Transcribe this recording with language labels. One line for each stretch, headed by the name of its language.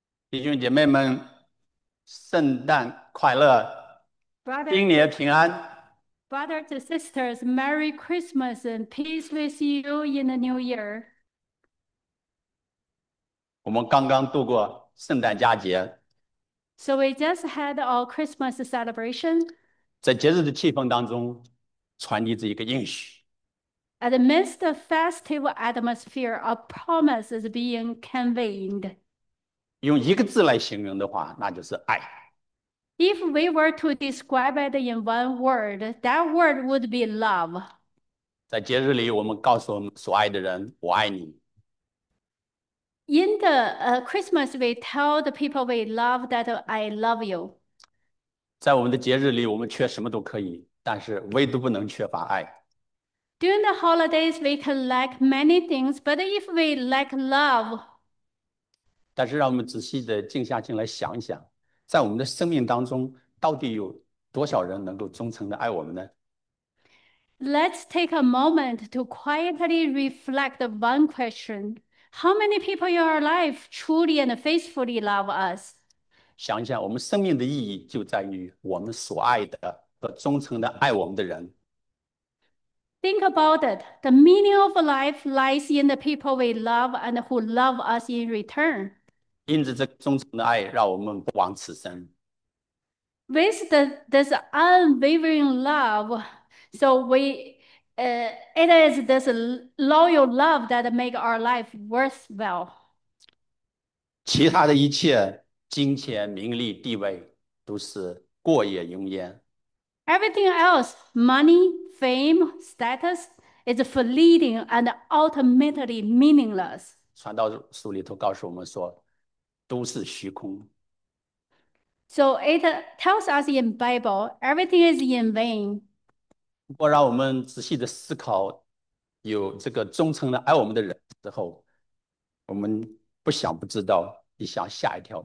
Chinese: 弟兄姐妹们，圣诞快乐，新年平安。
English: Brothers and sisters, Merry Christmas and peace with you in the new year.
Chinese: 我们刚刚度过圣诞佳节，
English: So we just had our Christmas celebration.
Chinese: 在节日的气氛当中，传递着一个应许。
English: Amidst the festive atmosphere, a promise is being conveyed.
Chinese: 用一个字来形容的话，那就是爱。
English: If we were to describe it in one word, that word would be love.
Chinese: 在节日里，我们告诉我们所爱的人：“我爱你。
English: In the Christmas, we tell the people we love that I love you.
Chinese: ”在我们的节日里，我们缺什么都可以，但是唯独不能缺乏爱。
English: During the holidays, we can lack many things, but if we lack love,
Chinese: 但是，让我们仔细的静下心来想一想，在我们的生命当中，到底有多少人能够忠诚的爱我们呢？
English: Let's take a moment to quietly reflect one question. How many people in our life truly and faithfully love us?
Chinese: 想一想，我们生命的意义就在于我们所爱的和忠诚的爱我们的人。
English: Think about it. The meaning of life lies in the people we love and who love us in return.
Chinese: 因着这忠诚的爱，让我们不枉此生。
English: With this unwavering love, it is this loyal love that make our life worthwhile.
Chinese: 其他的一切，金钱、名利、地位，都是过眼云烟。
English: Everything else, money, fame, status, is fleeting and ultimately meaningless.
Chinese: 传道书里头告诉我们说。都是虚空。
English: So it tells us in Bible, everything is in vain.
Chinese: 如果让我们仔细的思考，有这个忠诚的爱我们的人之后，我们不想不知道，一想吓一跳。